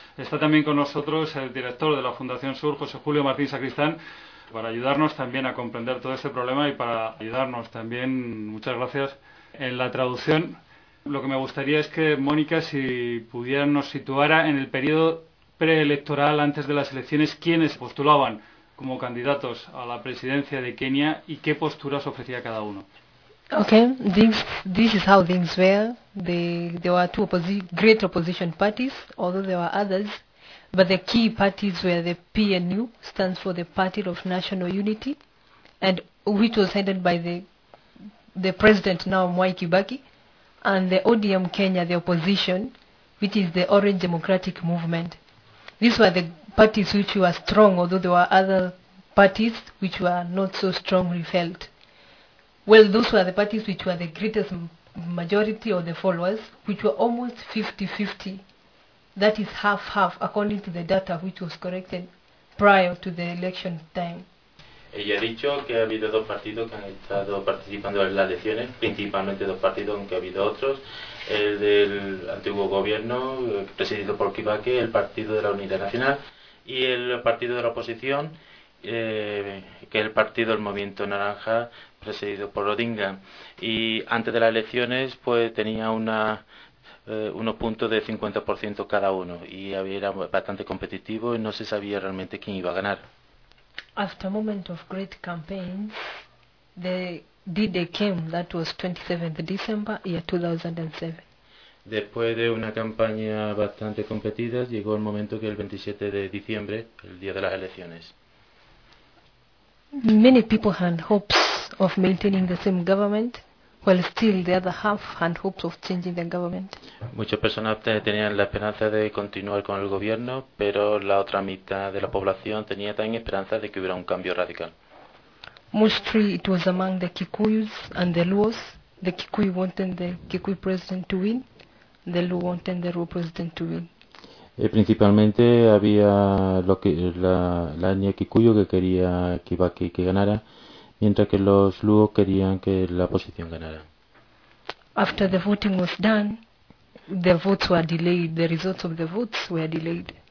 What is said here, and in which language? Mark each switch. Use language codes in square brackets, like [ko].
[es] Está también con nosotros el director de la Fundación Sur, José Julio Martín Sacristán, para ayudarnos también a comprender todo este problema y para ayudarnos también, muchas gracias, en la traducción. Lo que me gustaría es que Mónica, si pudiera, nos situara en el periodo preelectoral antes de las elecciones, quiénes postulaban como candidatos a la presidencia de Kenia y qué posturas ofrecía cada uno. [en] Okay, this is how things were. There were two great opposition parties, although there were others, but the key parties were the PNU, stands for the Party of National Unity, and which was headed by the president now, Mwai Kibaki, and the ODM Kenya, the opposition, which is the Orange Democratic Movement. These were the parties which were strong, although there were other parties which were not so strongly felt. Well, those were the parties which were the greatest majority of the followers, which were almost 50-50. That is half-half, according to the data which was collected prior to the election time. [es] Ella ha dicho que ha habido dos partidos que han estado participando en las elecciones, principalmente dos partidos, aunque ha habido otros. El del antiguo gobierno, presidido por Kibaki, el Partido de la Unidad Nacional, y el partido de la oposición, que es el partido del Movimiento Naranja, presidido por Odinga. Y antes de las elecciones, pues tenía unos puntos de 50% cada uno, y era bastante competitivo y no se sabía realmente quién iba a ganar. [en] After a moment of great campaigns, the D-Day came, that was 27th December, year 2007. [es] Después de una campaña bastante competida, llegó el momento que el 27 de diciembre, el día de las elecciones. [en] Many people had hopes of maintaining the same government, while still the other half had hopes of changing the government. [es] Muchas personas tenían la esperanza de continuar con el gobierno, pero la otra mitad de la población tenía también esperanza de que hubiera un cambio radical. [en] Mostly it was among the Kikuyus and the Luos. The Kikuyu wanted the Kikuyu president to win, the Luo wanted the Luo president to win. [es] Principalmente había la etnia Kikuyu que quería Kibaki que ganara, mientras que los Luo querían que la oposición ganara. [en] After the voting was done, the votes were delayed. The results of the votes were delayed.